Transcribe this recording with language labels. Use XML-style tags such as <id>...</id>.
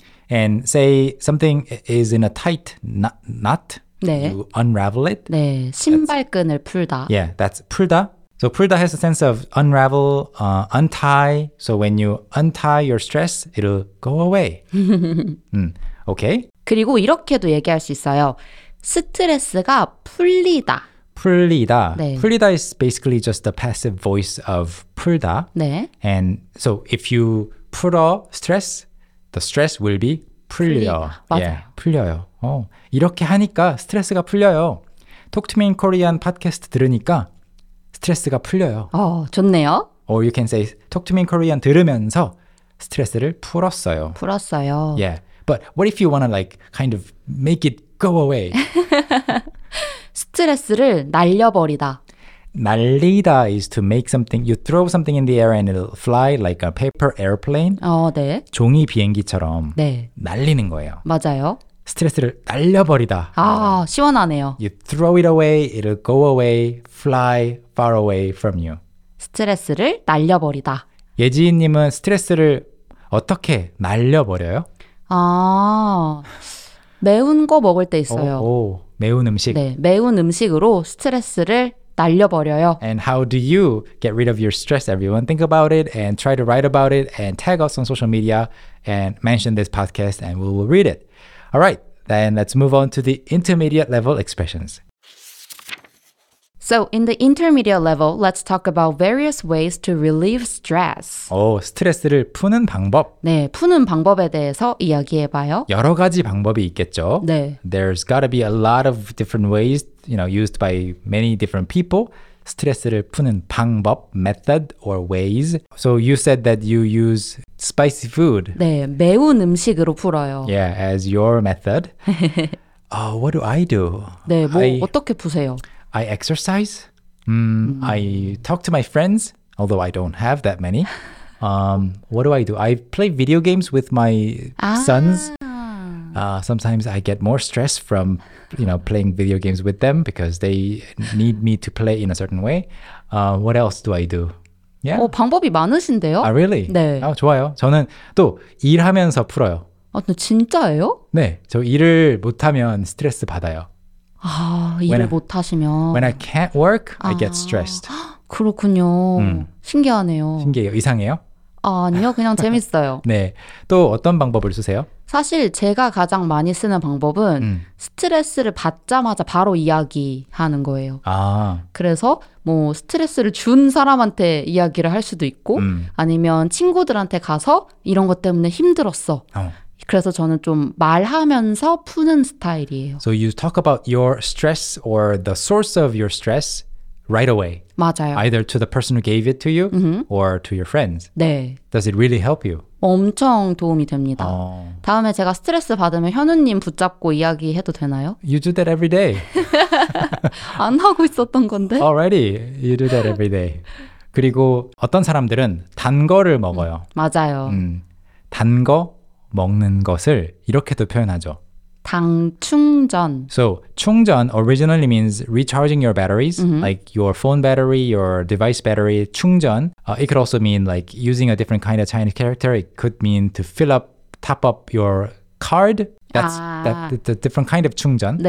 <en>And say something is in a tight knot. 네. You unravel it.</en> <ko>네, 신발끈을 풀다.</ko> <en>Yeah, that's 풀다. So 풀다 has a sense of unravel, untie. So when you untie your stress, it'll go away. okay.</en> <ko>그리고 이렇게도 얘기할 수 있어요. 스트레스가 풀리다.</ko> <en>풀리다. 네. 풀리다 is basically just the passive voice of 풀다.</en> <ko>네.</ko> <en>And so if you 풀어 stress, the stress will be 풀려.</en> <ko>풀리다. 맞아요. Yeah, 풀려요. 어, 이렇게 하니까 스트레스가 풀려요. Talk to me in Korean 팟캐스트 들으니까 스트레스가 풀려요. 어, 좋네요.</ko> <en>Or you can say Talk to me in Korean</en> <ko>들으면서 스트레스를 풀었어요. 풀었어요.</ko> <en>Yeah. But what if you want to like kind of make it go away?</en> <ko>스트레스를 날려버리다.</ko> <en>날리다 is to make something, you throw something in the air and it'll fly like a paper airplane.</en> <ko>어, 네. 종이 비행기처럼 네. 날리는 거예요. 맞아요. 스트레스를 날려버리다. 아, 시원하네요.</ko> <en>You throw it away, it'll go away, fly far away from you.</en> <ko>스트레스를 날려버리다. 예지인님은 스트레스를 어떻게 날려버려요? 아, 매운 거 먹을 때 있어요. 오, 오, 매운 음식. 네, 매운 음식으로 스트레스를 날려버려요.</ko> <en>And how do you get rid of your stress, everyone? Think about it and try to write about it and tag us on social media and mention this podcast and we will read it. All right, then let's move on to the intermediate level expressions. So in the intermediate level, let's talk about various ways to relieve stress.</en> <ko>오, 스트레스를 푸는 방법. 네, 푸는 방법에 대해서 이야기해봐요. 여러 가지 방법이 있겠죠. 네.</ko> <en>There's got to be a lot of different ways, you know, used by many different people.</en> <ko>스트레스를 푸는 방법,</ko> <en>method or ways. So you said that you use spicy food.</en> <ko>네, 매운 음식으로 풀어요.</ko> <en>Yeah, as your method. what do I do?</en> <ko>네, 뭐 어떻게 푸세요?</ko> <en>I exercise. I talk to my friends, although I don't have that many. What do? I play video games with my sons. Sometimes I get more stress from, you know, playing video games with them because they need me to play in a certain way. What else do I do?</en> <ko>Yeah. 어, 방법이 많으신데요?</ko> <en>아, really?</en> <ko>네. 아, 좋아요. 저는 또 일하면서 풀어요. 아, 근데 진짜예요? 네. 저 일을 못하면 스트레스 받아요. 아, 일을 못하시면.</ko> <en>When I can't work, 아, I get stressed.</en> <ko>그렇군요. 신기하네요. 신기해요? 이상해요? 아, 아니요. 그냥 재밌어요. 네. 또 어떤 방법을 쓰세요? 사실 제가 가장 많이 쓰는 방법은 스트레스를 받자마자 바로 이야기하는 거예요. 아. 그래서 뭐 스트레스를 준 사람한테 이야기를 할 수도 있고 아니면 친구들한테 가서 이런 것 때문에 힘들었어. 어. 그래서 저는 좀 말하면서 푸는 스타일이에요.</ko> <en>So you talk about your stress or the source of your stress right away.</en> <ko>맞아요.</ko> <en>Either to the person who gave it to you or to your friends.</en> <ko>네.</ko> <en>Does it really help you?</en> <ko>엄청 도움이 됩니다. 어. 다음에 제가 스트레스 받으면 현우님 붙잡고 이야기해도 되나요?</ko> <en>You do that every day.</en> <ko>안 하고 있었던 건데.</ko> <en>Already, you do that every day.</en> <ko>그리고 어떤 사람들은 단 거를 먹어요. 맞아요. 단 거 먹는 것을 이렇게도 표현하죠. 당 충전.</ko> <en>So, 충전 originally means recharging your batteries, like your phone battery, your device battery, 충전. It could also mean like using a different kind of Chinese character. It could mean to fill up, top up your card. That's the different kind of 충전.</en>